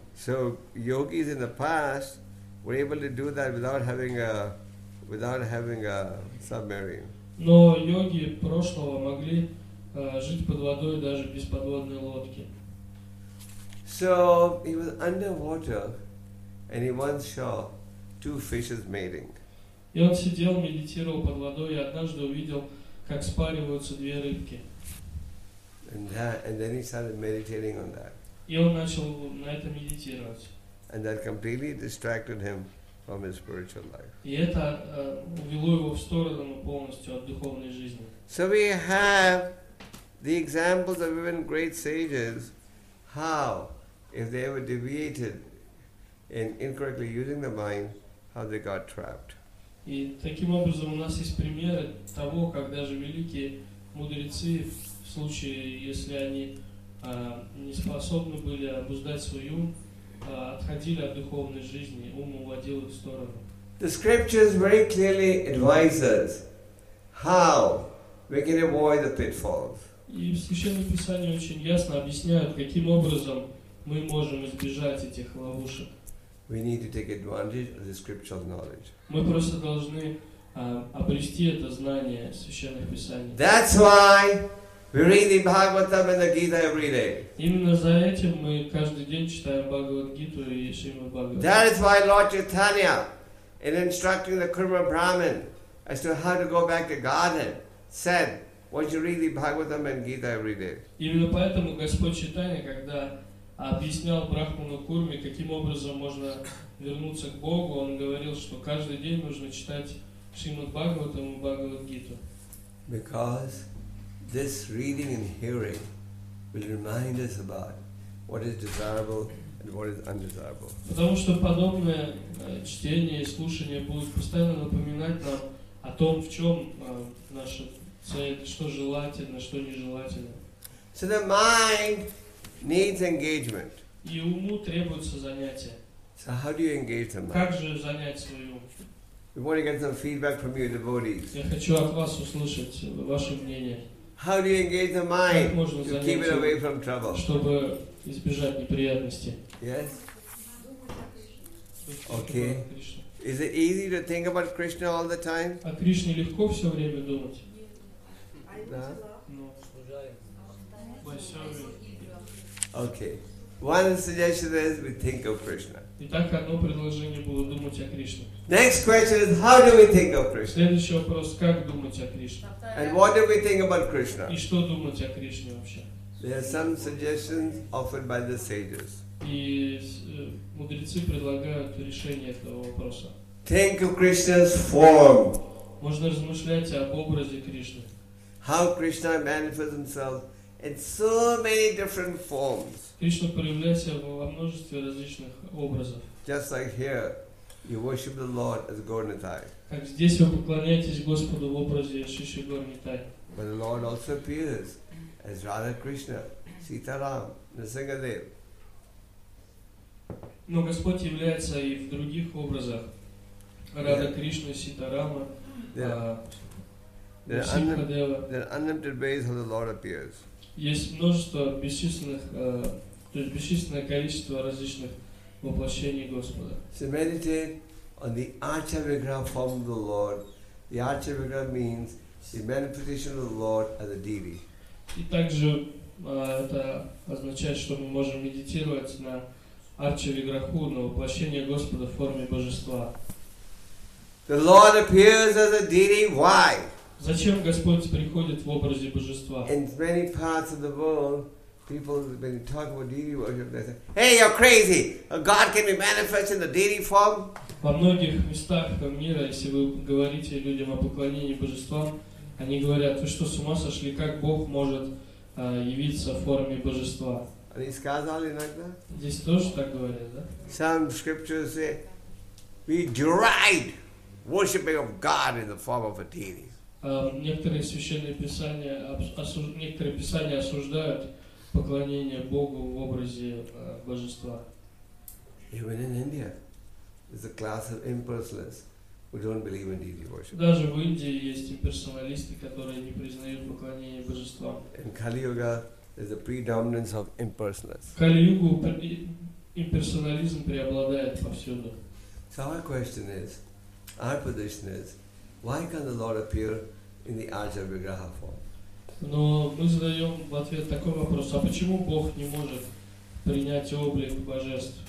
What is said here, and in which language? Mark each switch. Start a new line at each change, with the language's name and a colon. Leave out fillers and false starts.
English: So yogis in the past were able to do that without having a submarine.
Russian: Но йоги прошлого могли жить под водой даже без подводной лодки.
English: So he was underwater, and he once saw two fishes mating.
Russian: И он сидел, медитировал под водой, и однажды увидел, как спариваются две рыбки.
English: And then he started meditating on that.
Russian: И он начал на это медитировать.
English: And that completely distracted him from his spiritual life.
Russian: И это увело его в сторону полностью от духовной жизни.
English: So we have the examples of even great sages, how, if they were deviated in incorrectly using the mind, how they got trapped.
Russian: И таким образом у нас есть примеры того, как даже великие мудрецы, в случае, если они не способны были обуздать свой ум, отходили от духовной жизни, ум уводил их в сторону.
English: The scriptures very clearly advise us how we can avoid the pitfalls.
Russian: И в Священном Писании очень ясно объясняют, каким образом мы можем избежать этих ловушек.
English: We need to take advantage of the scriptural knowledge.
Russian: Мы просто должны обрести это знание Священных Писаний.
English: That's why we read the Bhagavatam and the Gita every day.
Russian: Именно за этим мы каждый день читаем Бхагавад-гиту и Шримад Бхагаватам.
English: That is why Lord Chaitanya, in instructing the Kurma Brahmin as to how to go back to Godhead, said, "Won't you read the Bhagavatam and Gita every day?"
Russian: Именно поэтому Господь Чайтанья, когда объяснял Брахману Курме, каким образом можно вернуться к Богу, он говорил, что каждый день нужно читать Шримад Бхагаватам и Бхагавад-гиту.
English: Because this reading and hearing will remind us about what is desirable and what is undesirable.
Russian: Потому что подобное чтение и слушание будет постоянно напоминать нам о том, в чем наша цель, что желательно, что нежелательно.
English: So the mind needs engagement.
Russian: И уму требуется занятие.
English: So how do you engage the mind?
Russian: Как же занять свой ум?
English: We want to get some feedback from you, devotees.
Russian: Я хочу от вас услышать ваше мнение.
English: How do you engage the mind to keep it away from trouble?
Russian: Чтобы избежать неприятностей.
English: Yes? Okay. Is it easy to think about Krishna all the time?
Russian: О Кришне легко все время думать? Да? Но
English: okay. One suggestion is we think of Krishna.
Russian: Итак, одно предложение было думать о Кришне.
English: Next question is, how do we think of Krishna?
Russian: Следующий вопрос, как думать о Кришне?
English: And what do we think about Krishna?
Russian: И что думать о Кришне вообще?
English: There are some suggestions offered by the sages.
Russian: И мудрецы предлагают решение этого вопроса.
English: Think of Krishna's form.
Russian: Можно размышлять об образе Кришны.
English: How Krishna manifests himself in so many different forms.
Russian: Кришна проявляет себя во множестве различных образов.
English: Just like here, you worship the Lord as Gornitai.
Russian: Как здесь вы поклоняетесь Господу в образе Шиши Горнитай.
English: But the Lord also appears as Radha Krishna, Sitaram, Nrisingadev.
Russian: Но Господь является и в других образах. Рада Кришна, Ситарама, Сипхадева.
English: There are unlimited ways how the Lord appears.
Russian: Есть множество бесчисленных, то есть бесчисленное количество различных воплощений Господа.
English: So meditate on the Archavigraha form of the Lord. The Archavigraha means the manifestation of the Lord as a deity.
Russian: И также это означает, что мы можем медитировать на Арчавиграху, на воплощение Господа в форме Божества.
English: The Lord appears as a deity. Why?
Russian: Зачем Господь приходит в образе Божества?
English: In many parts of the world, people have been talking about deity worship. They say, "Hey, you're crazy! A God can be manifest in the deity form."
Russian: Во многих местах мира, если вы говорите людям о поклонении Божествам, они говорят: "Вы что, с ума сошли? Как Бог может явиться в форме Божества?" Они сказали иногда. Здесь тоже так говорят, да?
English: Some scriptures say, "We deride worshiping of God in the form of a deity."
Russian: Некоторые священные писания, некоторые писания осуждают поклонение Богу в образе Божества.
English: Even in India, there's a class of impersonalists who don't believe in deity worship.
Russian: Даже в Индии есть имперсоналисты, которые не признают поклонение Божества.
English: In Kali Yuga, there's a predominance of impersonalists.
Russian: В Кали-Югу имперсонализм преобладает повсюду.
English: So our question is, our position is, why can the Lord appear in the Archavigraha form?
Russian: Но мы задаем в ответ такой вопрос: а почему Бог не может принять облик божеств?